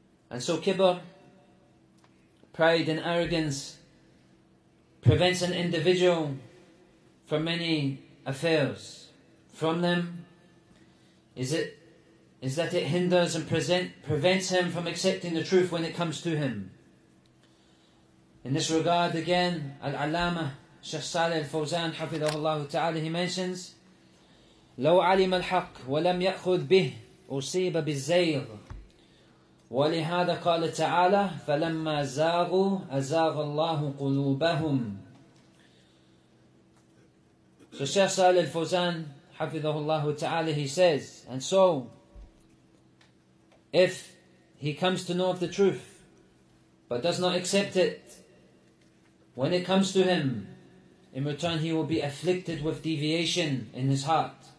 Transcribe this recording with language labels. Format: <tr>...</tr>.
<en>And so kibr, pride and arrogance, prevents an individual from many affairs. From them, is that it hinders and prevents him from accepting the truth when it comes to him. In this regard again, Al-Allama Shaykh Salih Al-Fawzan حفظه الله تعالى, he mentions,</en> <ar>لو علم الحق ولم يأخذ به أصيب بالزيغ ولهذا قال تعالى فلما زاغوا أزاغ الله قلوبهم.</ar> <en>So Shaykh Salih Al-Fawzan حفظه الله تعالى, he says, and so, if he comes to know of the truth, but does not accept it, when it comes to him, in return he will be afflicted with deviation in his heart.</en>